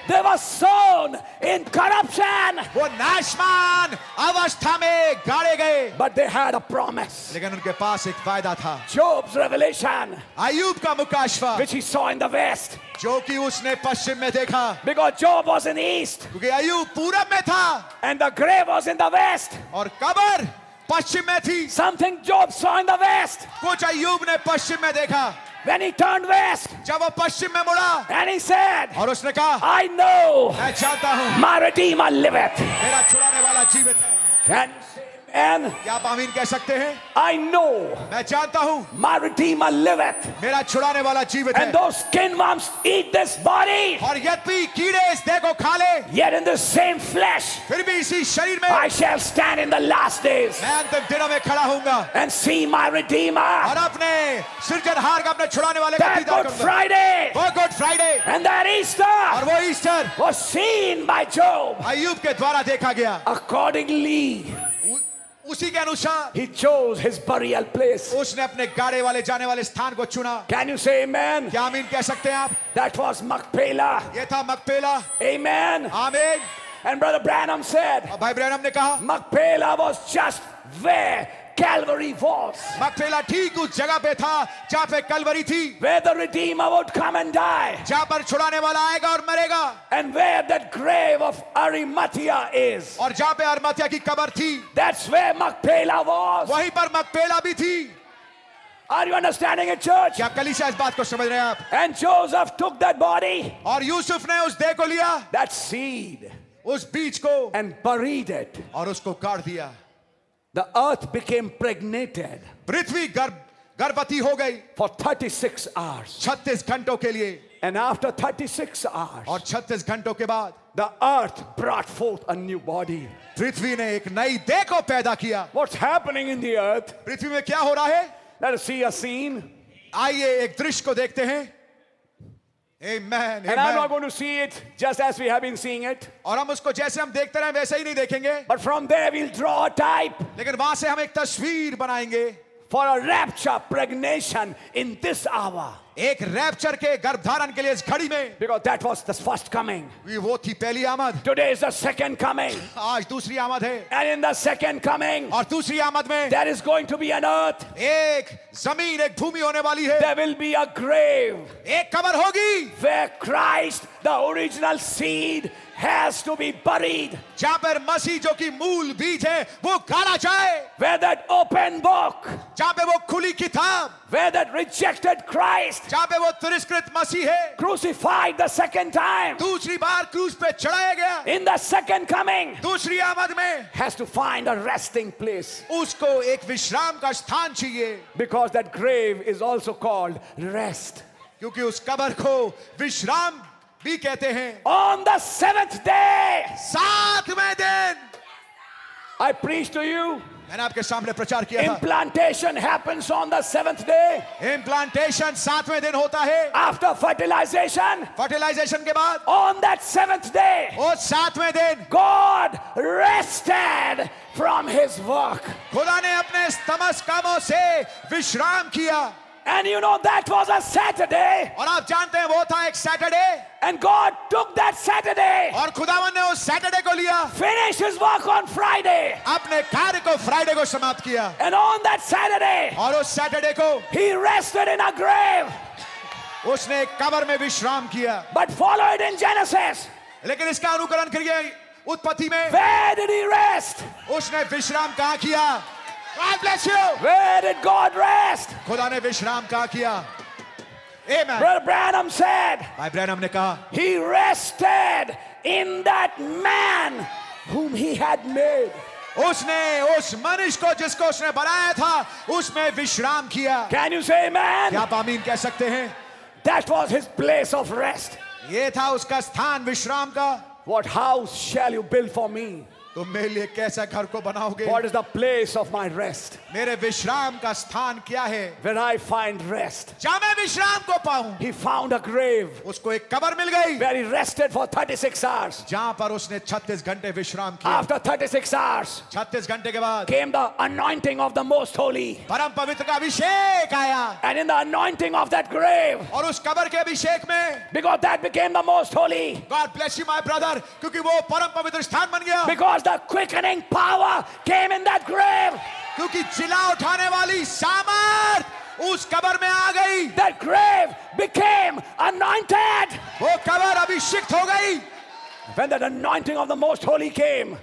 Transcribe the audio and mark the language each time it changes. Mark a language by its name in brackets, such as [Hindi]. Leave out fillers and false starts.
[English] they were sown in corruption. [Hindi] वो नाशमान अवस्था में गाड़े गए [English] But they had a promise. [Hindi] लेकिन उनके पास एक [English] Job's revelation, [Hindi] Ayub ka mukashfa, [English] which he saw in the west, [Hindi] जो कि उसने पश्चिम में देखा, [English] because Job was in the east, [Hindi] क्योंकि Ayub पूरब में था, [English] and the grave was in the west, [Hindi] और कब्र पश्चिम में थी, [English] something Job saw in the west, [Hindi] कुछ Ayub ने पश्चिम में देखा, [English] when he turned west, [Hindi] जब वो पश्चिम में मुड़ा, [English] and he said, [Hindi] और उसने कहा, [English] I know, [Hindi] मैं जानता हूँ, [English] my Redeemer liveth, [Hindi] मेरा छुड़ाने वाला जीवित है, [English] can [Hindi] आप आमीन कह सकते हैं [English] I know [Hindi] मैं जानता हूँ [English] My Redeemer liveth. [Hindi] मेरा छुड़ाने वाला जीवित [English] And those skin worms eat this body. [Hindi] और यद्यपि कीड़े इस देह को खा ले [English] Yet in the same flesh. [Hindi] फिर भी इसी शरीर में [English] I shall stand in the last days. [Hindi] मैं अंतिम दिनों में खड़ा होऊंगा [English] And see my Redeemer. [Hindi] और अपने सृजनहार का अपने छुड़ाने वाले का दीदार करूंगा [English] That Good Friday. [Hindi] वो good Friday [English] And that Easter. [Hindi] और वो Easter [English] Was seen by Job. [Hindi] अय्यूब के द्वारा देखा गया [English] Accordingly. [Hindi] उसी के अनुसार [English] He chose his burial place. [Hindi] उसने अपने गाड़े वाले जाने वाले स्थान को चुना [English] Can you say amen? [Hindi] क्या आमीन कह सकते हैं आप [English] That was Machpelah. [Hindi] ये था मकपेला [English] Amen. [Hindi] आमीन. [English] And Brother Branham said, [Hindi] और भाई ब्रैनम ने कहा [English] Machpelah was just where Calvary was. [Hindi] Machpelah ठीक उस जगह पे था जहाँ पे कलवरी थी [English] Where the Redeemer would come and die. [Hindi] जहाँ पर छुड़ाने वाला आएगा और मरेगा [English] And where that grave of Arimathea is. [Hindi] और जहाँ पे अरिमथिया की कब्र थी [English] That's where Machpelah was. [Hindi] वहीं पर मकपेला भी थी [English] Are you understanding it, church? [Hindi] क्या कलीसिया इस बात को समझ रहे हैं आप [English] And Joseph took that body. [Hindi] और यूसुफ ने उस देह को लिया [English] That seed. [Hindi] उस बीज को [English] And buried it. [Hindi] और उसको गाड़ दिया [English] The earth became pregnated. [Hindi] Prithvi garbhavati ho gayi [English] for 36 hours. [Hindi] 36 ghanton ke liye. [English] And after 36 hours. [Hindi] Aur 36 ghanton ke baad. [English] The earth brought forth a new body. [Hindi] Prithvi ne ek nayi deh ko paida kiya. [English] What's happening in the earth? [Hindi] Prithvi mein kya ho raha hai? [English] Let us see a scene. [Hindi] Aaiye ek drishy ko dekhte hain. Amen. [English] And amen. I'm not going to see it just as we have been seeing it. [Hindi] और हम उसको जैसे हम देखते रहे वैसे ही नहीं देखेंगे. [English] But from there we'll draw a type. [Hindi] लेकिन वहाँ से हम एक तस्वीर बनाएंगे. [English] For a rapture pregnation in this hour. [Hindi] एक रैप्चर के गर्भधारण के लिए इस घड़ी में. [English] Because that was the first coming. [Hindi] वो थी पहली आमद. [English] Today is the second coming. [Hindi] आज दूसरी आमद है. [English] And in the second coming. [Hindi] और दूसरी आमद में. [English] There is going to be an earth. [Hindi] एक जमीन एक भूमि होने वाली है. [English] There will be a grave. [Hindi] एक कब्र होगी. [English] Where Christ, the original seed, has to be buried. [Hindi] जहाँ पर मसीह जो कि मूल बीज है वो गाड़ा जाए. [English] Where that open book. [Hindi] जहाँ पे वो खुली किताब. [English] Where that rejected Christ. [Hindi] जहाँ पे वो तिरस्कृत मसीह है. [English] Crucified the second time. [Hindi] दूसरी बार क्रूस पे चढ़ाया गया. [English] In the second coming. [Hindi] दूसरी आमद में. [English] Has to find a resting place. [Hindi] उसको एक विश्राम का स्थान चाहिए. [English] Because that grave is also called rest. [Hindi] क्योंकि उस कब्र को विश्राम भी कहते हैं. [English] On the seventh day. [Hindi] सातवें दिन. [English] I preach to you. [Hindi] मैंने आपके सामने प्रचार किया. [English] Implantation happens on the seventh day. [Hindi] Implantation सातवें दिन होता है. [English] After fertilization. [Hindi] Fertilization के बाद. [English] On that seventh day. [Hindi] और सातवें दिन. [English] God rested from His work. [Hindi] खुदा ने अपने समस्त कामों से विश्राम किया. [English] And you know that was a Saturday. [Hindi] और आप जानते हैं वो था एक Saturday. [English] And God took that Saturday. [Hindi] और खुदावन ने उस Saturday को लिया. [English] Finished His work on Friday. [Hindi] अपने कार्य को Friday को समाप्त किया. [English] And on that Saturday. [Hindi] और उस Saturday को. [English] He rested in a grave. [Hindi] उसने कब्र में विश्राम किया. [English] But follow it in Genesis. [Hindi] लेकिन इसका अनुकरण करिए उत्पत्ति में. [English] Where did He rest? [Hindi] उसने विश्राम कहाँ किया? [English] God bless you. Where did God rest? [Hindi] खुदा ने विश्राम कहाँ किया? [English] Amen. Brother Branham said. [Hindi] भाई ब्रैनम ने कहा. [English] He rested in that man whom He had made. [Hindi] उसने उस मनुष्य को जिसको उसने बनाया था उसमें विश्राम किया. [English] Can you say amen? [Hindi] क्या आप आमीन कह सकते हैं? [English] That was His place of rest. [Hindi] ये था उसका स्थान विश्राम का. [English] What house shall you build for me? [Hindi] तो मेरे लिए कैसा घर को बनाओगे? [English] What is the place of my rest? [Hindi] मेरे विश्राम का स्थान क्या है? [English] Where I find rest. [Hindi] जहाँ मैं विश्राम को पाऊँ. [English] He found a grave. [Hindi] उसको एक कब्र मिल गई. [English] Where he rested for 36 hours. [Hindi] जहाँ पर उसने 36 घंटे विश्राम किया. [English] After 36 hours. [Hindi] 36 घंटे के बाद. [English] Came the anointing of the most holy. [Hindi] परम पवित्र का अभिषेक आया. [English] And in the anointing of that grave. [Hindi] और उस कब्र के अभिषेक में. [English] Because that became the most holy. God bless you, my brother. [Hindi] क्योंकि वो परम पवित्र स्थान बन गया. [English] Because the quickening power came in that grave. [Hindi] क्योंकि जिला उठाने वाली सामर्थ उस कब्र में आ गई. [English] That grave became anointed. [Hindi] वो कब्र अभिषिक्त हो गई. [English] When that anointing of the most holy came.